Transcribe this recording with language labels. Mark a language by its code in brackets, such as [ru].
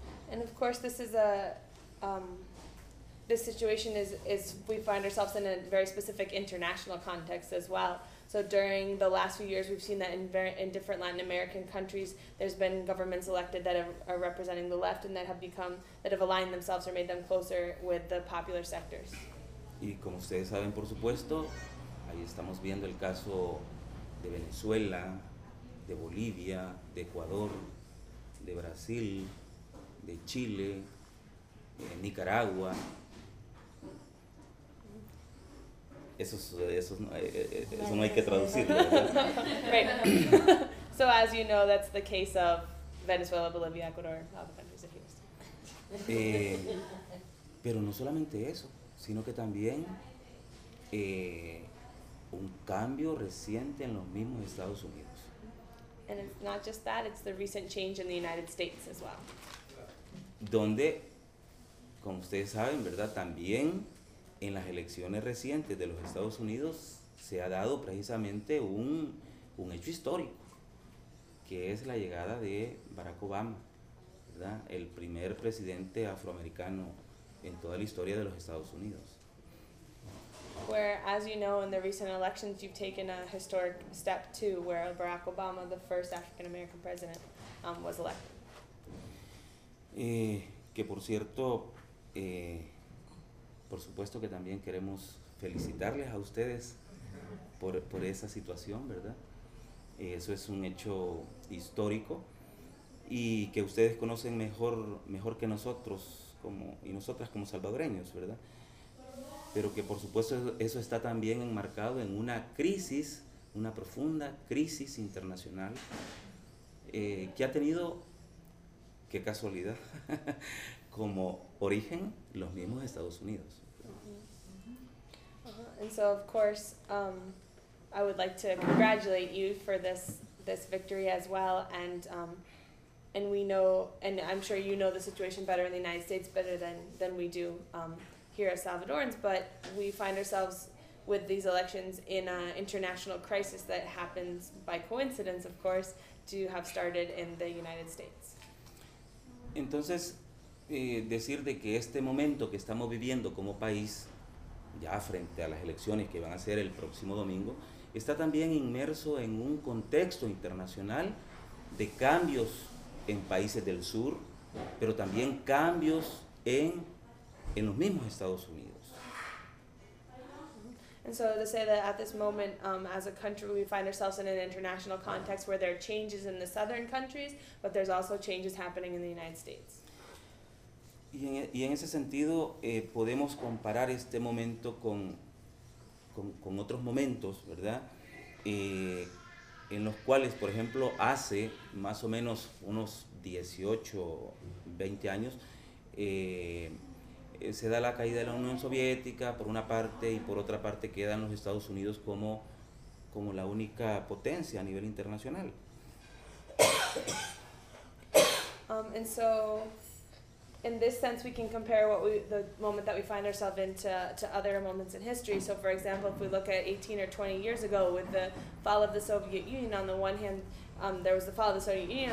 [en] And of course this is this situation is we find ourselves in a very specific international context as well. So during the last few years we've seen that in different Latin American countries there's been governments elected that are representing the left and that have aligned themselves or made them closer with the popular sectors. [es] Y como ustedes saben, por supuesto, ahí estamos viendo el caso de Venezuela, de Bolivia, de Ecuador, de Brasil, de Chile, de Nicaragua. Eso no hay que traducirlo, ¿verdad? [en] Right. So as you know, that's the case of Venezuela, Bolivia, Ecuador, all the countries that he was. [es] Pero no solamente eso, sino que también un cambio reciente en los mismos Estados Unidos. [en] And it's not just that, it's the recent change in the United States as well. [es] Donde, como ustedes saben, ¿verdad?, también en las elecciones recientes de los Estados Unidos se ha dado precisamente un hecho histórico, que es la llegada de Barack Obama, ¿verdad?, el primer presidente afroamericano en toda la historia de los Estados Unidos. [en] Where, as you know, in the recent elections, you've taken a historic step too, where Barack Obama, the first African American president, was elected. [es] Que por cierto, por supuesto que también queremos felicitarles a ustedes por esa situación, ¿verdad? Eso es un hecho histórico y que ustedes conocen mejor que nosotros y nosotras como salvadoreños, ¿verdad? Pero que por supuesto eso está también enmarcado en una crisis, una profunda crisis internacional que ha tenido, qué casualidad, como origen los mismos Estados Unidos. Mm-hmm. [en] And so, of course, I would like to congratulate you for this victory as well. And we know, and I'm sure you know the situation better in the United States better than we do here as Salvadorans, but we find ourselves with these elections in an international crisis that happens by coincidence, of course, to have started in the United States. [es] Entonces, decir de que este momento que estamos viviendo como país, ya frente a las elecciones que van a ser el próximo domingo, está también inmerso en un contexto internacional de cambios en países del sur, pero también cambios en los mismos Estados Unidos. [en] And so to say that at this moment, as a country, we find ourselves in an international context where there are changes in the southern countries, but there's also changes happening in the United States. [es] Y en ese sentido, podemos comparar este momento con otros momentos, ¿verdad? En los cuales, por ejemplo, hace más o menos unos 18, 20 años, se da la caída de la Unión Soviética por una parte y por otra parte quedan los Estados Unidos como la única potencia a nivel internacional. [en] And so, in this sense, we can compare the moment that we find ourselves in to other moments in history. So, for example, if we look at 18 or 20 years ago with the fall of the Soviet Union, on the one hand, there was the fall of the Soviet Union.